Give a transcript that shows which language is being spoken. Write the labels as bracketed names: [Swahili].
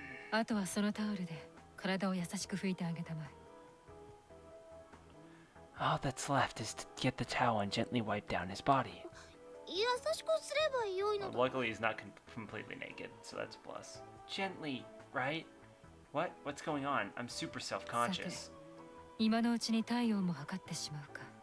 [Japanese] あとはそのタオルで体を優しく拭いてあげたまえ。 [English] All that's left is to get the towel and gently wipe down his body. [Japanese] 優しくすればよいの。 [English] Luckily, he's not completely naked, so that's a plus. Gently, right? What? What's going on? I'm super self-conscious. [Japanese] さて、今のうちに体温も測ってしまうか。